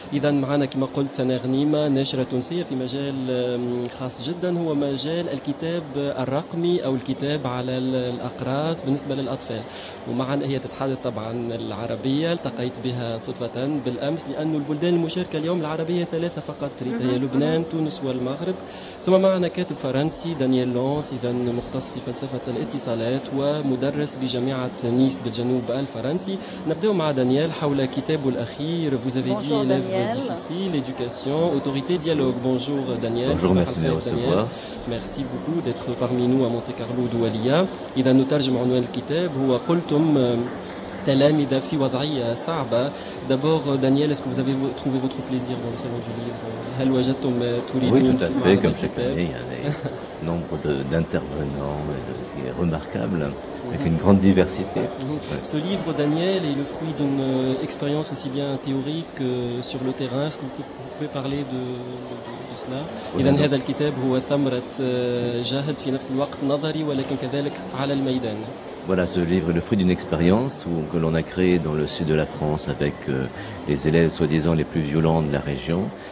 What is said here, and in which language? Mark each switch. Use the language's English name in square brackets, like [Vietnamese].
[Arabic] إذا معنا كما قلت سنة غنيمة ناشرة تونسية في مجال خاص جدا، هو مجال الكتاب الرقمي أو الكتاب على الأقراص بالنسبة للأطفال، ومعنا هي تتحدث طبعا العربية، التقيت بها صدفة بالأمس لأن البلدان المشاركة اليوم العربية ثلاثة فقط، هي لبنان تونس والمغرب. ثم معنا كاتب فرنسي دانييل لونس، إذا مختص في فلسفة الاتصالات ومدرس بجامعة نيس بالجنوب الفرنسي. نبدأ مع دانييل حول كتابه الأخير [French] Vous avez dit élève difficile, éducation, autorité, dialogue. Bonjour Daniel. Bonjour, merci de recevoir. Merci beaucoup d'être parmi nous à Monte Carlo دوليا. [Arabic] إذا نترجم عنوان الكتاب، هو قلتم تلامذة في وضعية صعبة. [French] دابور دانييل، est-ce que vous avez trouvé votre plaisir dans le salon du livre؟ [Arabic] هل وجدتم تريدون؟ [French] Oui, tout à fait, comme chaque année, il y a un nombre d'intervenants qui est remarquable. Avec une grande diversité. Ce livre, Daniel, est le fruit d'une expérience aussi bien théorique que sur le terrain. Est-ce que vous pouvez parler de cela ? [Arabic] إذن هذا الكتاب هو ثمرة جهد في نفس الوقت نظري ولكن كذلك على الميدان. [French] Voilà, ce livre est le fruit d'une expérience que l'on a créée dans le sud de la France avec les élèves soi-disant les plus violents de la région.